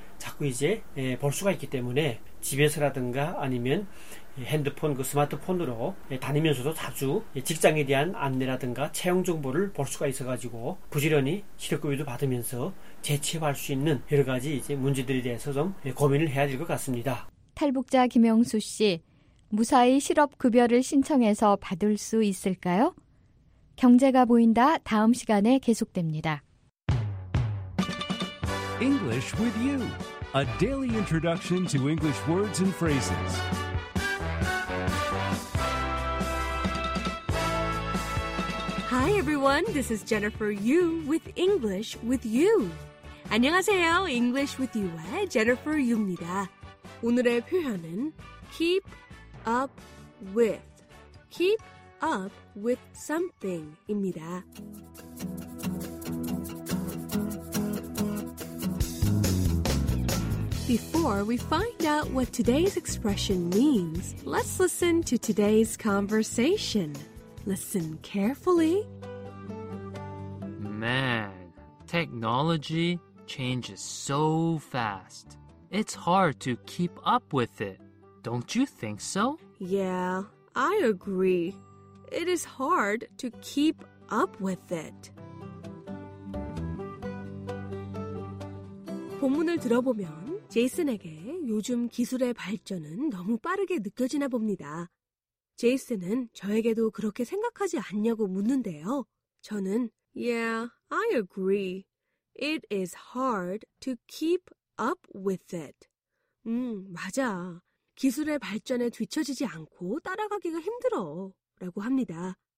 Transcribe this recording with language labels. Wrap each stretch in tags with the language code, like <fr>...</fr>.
<ko>자꾸 이제 볼 수가 있기 때문에 집에서라든가 아니면 핸드폰, 그 스마트폰으로 다니면서도 자주 직장에 대한 안내라든가 채용 정보를 볼 수가 있어가지고 부지런히 실업급여도 받으면서 재취업할 수 있는 여러 가지 이제 문제들에 대해서 좀 고민을 해야 될 것 같습니다. 탈북자 김영수 씨, 무사히 실업급여를 신청해서 받을 수 있을까요? 경제가 보인다 다음 시간에 계속됩니다.</ko> <en>English with you. A daily introduction to English words and phrases. Hi everyone, this is Jennifer Yu with English with You.</en> <ko>안녕하세요, English with You의 Jennifer Yu입니다. 오늘의 표현은 keep up with, keep up with something입니다.</ko> <en>Before we find out what today's expression means, let's listen to today's conversation. Listen carefully. Man, technology changes so fast. It's hard to keep up with it. Don't you think so? Yeah, I agree. It is hard to keep up with it.</en> <ko>본문을 들어보면 제이슨에게 요즘 기술의 발전은 너무 빠르게 느껴지나 봅니다. 제이슨은 저에게도 그렇게 생각하지 않냐고 묻는데요. 저는</ko> <en>Yeah, I agree. It is hard to keep up with it.</en> <ko>맞아. 기술의 발전에 뒤처지지 않고 따라가기가 힘들어 라고 합니다.</ko>